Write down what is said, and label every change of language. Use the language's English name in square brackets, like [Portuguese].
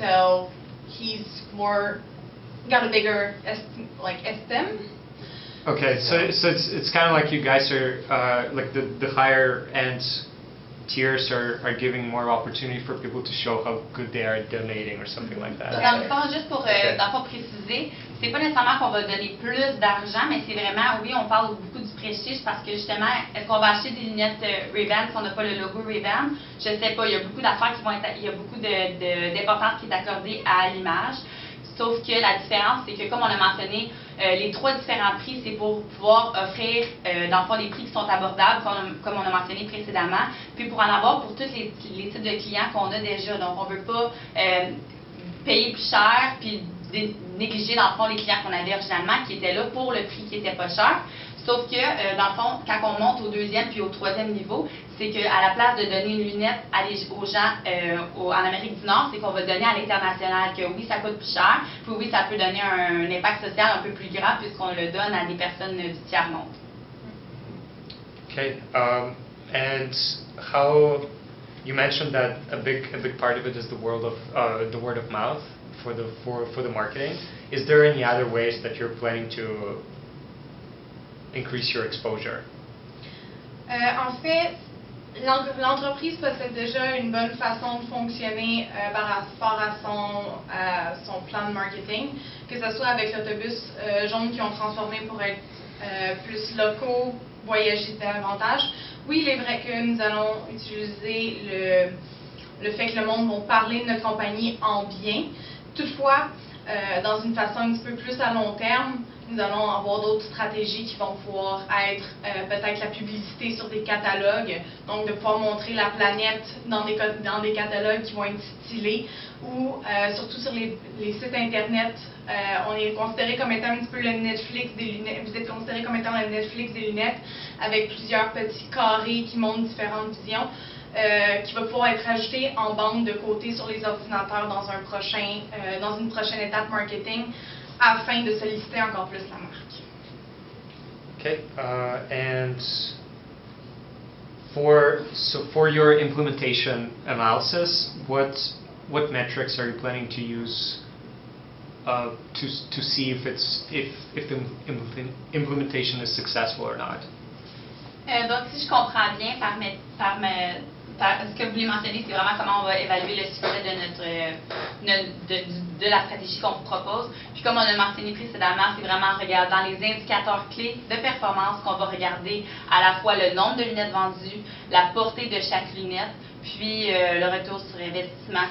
[English] So he's more... got a bigger esteem. Okay, so it's kind of like you guys are like the higher end tiers are giving more opportunity for people to show how good they are at donating or something like that. [French] Dans le fond, juste pour d'abord préciser, c'est pas nécessairement qu'on va donner plus d'argent, mais c'est vraiment oui, on parle beaucoup du prestige parce que justement, est-ce qu'on va acheter des lunettes Ray-Ban si on n'a pas le logo Ray-Ban? Je sais pas. Il y a beaucoup d'affaires qui vont être, il y a beaucoup d'importance qui est accordée à l'image. Sauf que la différence, c'est que comme on l'a mentionné, les trois différents prix, c'est pour pouvoir offrir, dans le fond, les prix qui sont abordables, comme on a mentionné précédemment, puis pour en avoir pour tous les types de clients qu'on a déjà. Donc, on ne veut pas payer plus cher, puis négliger, dans le fond, les clients qu'on avait originalement, qui étaient là pour le prix qui n'était pas cher. Sauf que, dans le fond, quand on monte au deuxième puis au troisième niveau, c'est qu'à la place de donner une lunette aux gens en Amérique du Nord, c'est qu'on va donner à l'international que oui, ça coûte plus cher, puis oui, ça peut donner un impact social un peu plus grand puisqu'on le donne à des personnes du tiers-monde. [English] OK. And how you mentioned that a big part of it is the word of mouth for the marketing. Is there any other ways that you're planning to increase your exposure? [French] En fait, l'entreprise possède déjà une bonne façon de fonctionner par rapport à son plan de marketing, que ce soit avec l'autobus jaune qu'ils ont transformé pour être plus locaux, voyager davantage. Oui, il est vrai que nous allons utiliser le fait que le monde va parler de notre compagnie en bien. Toutefois, dans une façon un petit peu plus à long terme, nous allons avoir d'autres stratégies qui vont pouvoir être peut-être la publicité sur des catalogues, donc de pouvoir montrer la planète dans des catalogues qui vont être stylés, ou surtout sur les sites internet, on est considéré comme étant un petit peu le Netflix des lunettes, vous êtes considéré comme étant le Netflix des lunettes, avec plusieurs petits carrés qui montrent différentes visions, qui va pouvoir être ajouté en bande de côté sur les ordinateurs dans un prochain dans une prochaine étape marketing, afin de solliciter encore plus la marque. [English] Okay, and for your implementation analysis, what metrics are you planning to use to see if the implementation is successful or not? [French] Donc si je comprends bien ce que vous voulez mentionner, c'est vraiment comment on va évaluer le succès de notre la stratégie qu'on vous propose. Puis comme on a mentionné précédemment, c'est vraiment en regardant les indicateurs clés de performance qu'on va regarder à la fois le nombre de lunettes vendues, la portée de chaque lunette, puis le retour sur investissement.